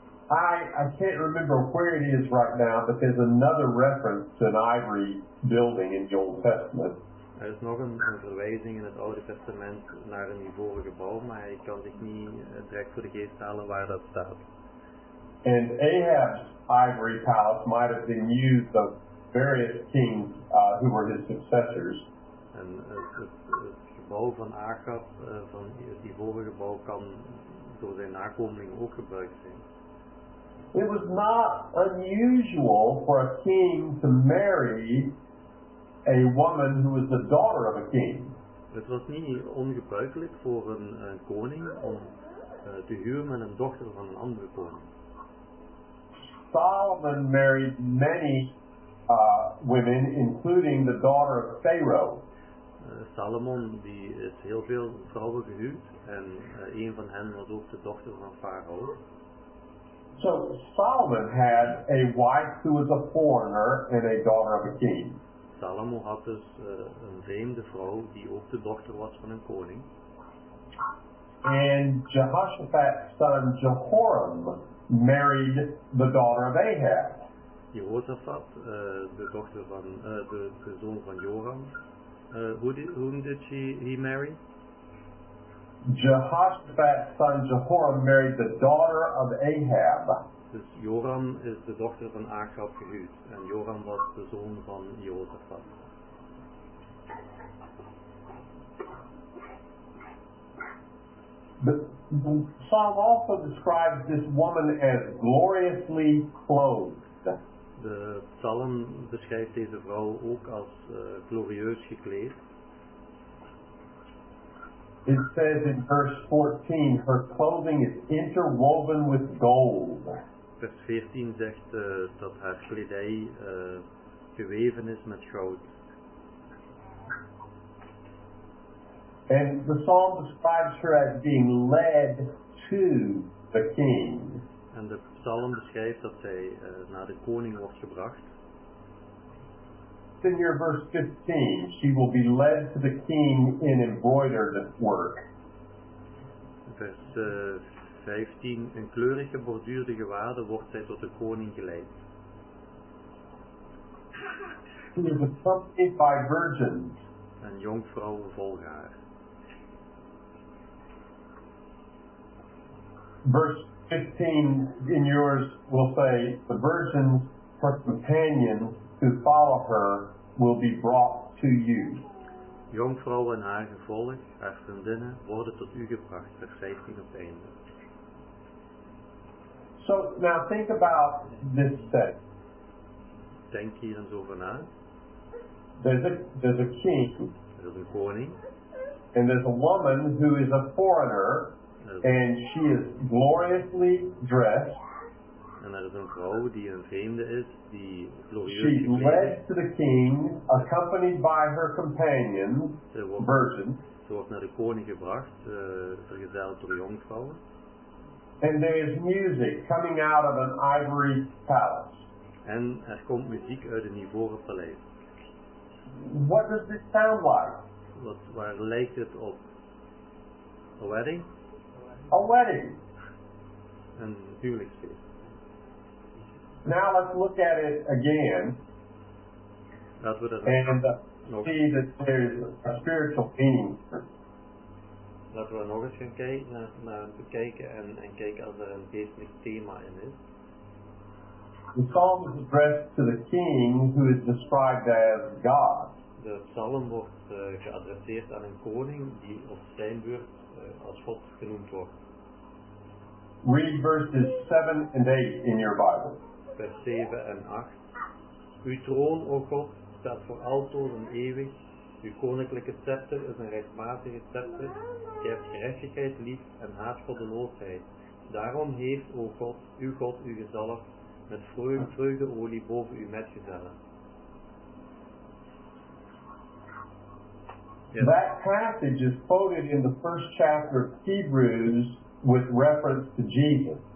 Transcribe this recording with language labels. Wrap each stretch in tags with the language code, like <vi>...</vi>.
<en>I can't remember where it is right now, but there's another reference to an ivory building in the Old Testament.</en> <nl>Er is nog een verwijzing in het Oude Testament naar een ivoren gebouw, maar hij kan zich niet direct voor de geest halen waar dat staat.</nl> <en>And Ahab's ivory palace might have been used of various kings who were his successors.</en> <nl>En het gebouw van Ahab, van het ivoren gebouw, kan door zijn nakomelingen ook gebruikt zijn.</nl> <en>It was not unusual for a king to marry a woman who is the daughter of a king.</en> <nl>Het was niet ongebruikelijk voor een koning om te huwen met een dochter van een andere koning.</nl> <en>Solomon married many women, including the daughter of Pharaoh.</en> <nl>Salomon die is heel veel vrouwen gehuwd en een van hen was ook de dochter van Farao.</nl> <en>So Solomon had a wife who was a foreigner and a daughter of a king.</en> <nl>Salomo had dus een vreemde vrouw die ook de dochter was van een koning.</nl> <en>En Jehoshaphat's son Jehoram married the daughter of Ahab.</en> <nl>Jehoshaphat, de zoon van Joram.</nl> <en>Whom did he marry? Jehoshaphat's son Jehoram married the daughter of Ahab.</en> <nl>Dus Joram is de dochter van Ahab gehuwd. En Joram was de zoon van Jehoshaphat.</nl> <en>The psalm also describes this woman as gloriously clothed.</en> <nl>De psalm beschrijft deze vrouw ook als glorieus gekleed.</nl> <en>It says in verse 14, her clothing is interwoven with gold.</en> <nl>Vers 14 zegt dat haar kledij geweven is met goud. En de psalm beschrijft haar als</nl> <en>being led to the king.</en> <nl>En de psalm beschrijft dat zij naar de koning wordt gebracht.</nl> <en>In your verse 15, she will be led to the king in embroidered work.</en> <nl>Vers 15, een kleurige borduurde gewaden wordt zij tot de koning geleid.</nl> <en>She is accompanied by virgins.</en> <nl>En jonkvrouwen volgen haar.</nl> <en>Verse 15 in yours will say, the virgins, her companions who follow her, will be brought to you.</en> <nl>Jonkvrouwen en haar gevolg, haar vriendinnen, worden tot u gebracht. Vers 15 op einde.</nl> <en>So now think about this setting.</en> <nl>Denk hier eens over na.</nl> <en>There's a king.</en> <nl>Er is een koning.</nl> <en>And there's a woman who is a foreigner. And she is gloriously dressed.</en> <nl>En er is een vrouw die een vreemde is, die glorieus gekleed.</nl> <en>She's led to the king, accompanied by her companions, virgins.</en> <nl>Ze wordt naar de koning gebracht, vergezeld door jongvrouwen.</nl> <en>And there is music coming out of an ivory palace.</en> <nl>En er komt muziek uit een ivoren paleis.</nl> <en>What does this sound like?</en> <nl>Waar lijkt het op?</nl> <en>A wedding? A wedding.</en> <nl>Een huwelijksfeest.</nl> <en>Now let's look at it again.</en> <nl>Dat we dat</nl> <en>see that there is a spiritual meaning.</en> <nl>Laten we nog eens gaan kijken naar bekijken en kijken als er een geestelijk thema in is.</nl> <en>The psalm is addressed to the king who is described as God.</en> <nl>De psalm wordt geadresseerd aan een koning die op zijn beurt als God genoemd wordt.</nl> <en>Read verses 7 and 8 in your Bible.</en> <nl>Vers 7 en 8. Uw troon, o God, staat voor altijd en eeuwig. Uw koninklijke scepter is een rechtmatige scepter. Je hebt gerechtigheid lief en haat goddeloosheid. Daarom heeft, o God, uw God u gezalfd met vreugdeolie boven uw metgezellen.</nl> <en>Yes. That passage is quoted in the first chapter of Hebrews with reference to Jesus.</en>